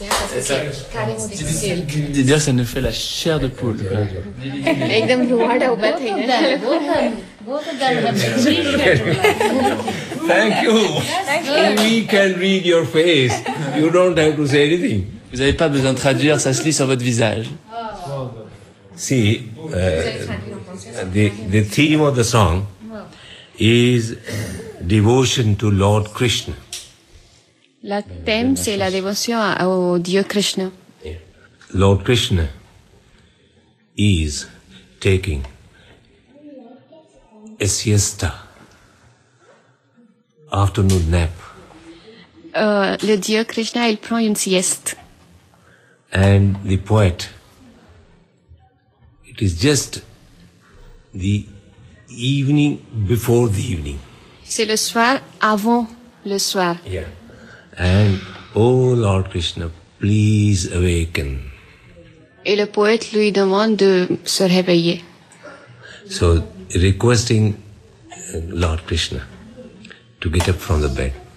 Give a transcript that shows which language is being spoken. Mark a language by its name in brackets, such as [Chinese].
[French] C'est de dire ça nous fait la chair de poule. [English] Thank you. We can read your face. You don't have to say anything. [French] Vous n'avez pas besoin de traduire, ça se lit sur votre visage. [English] Si, the theme of the song is devotion to Lord Krishna. [French] La thème, c'est la dévotion au Dieu Krishna. [English] Lord Krishna is taking a siesta, afternoon nap. [French] Le Dieu Krishna, il prend une sieste. [English] And the poet, it is just the evening before the evening. [French] C'est le soir avant le soir. [English] Yeah. And, oh Lord Krishna, please awaken. [French] Et le poète lui demande de se réveiller. [English] So, requesting Lord Krishna to get up from the bed.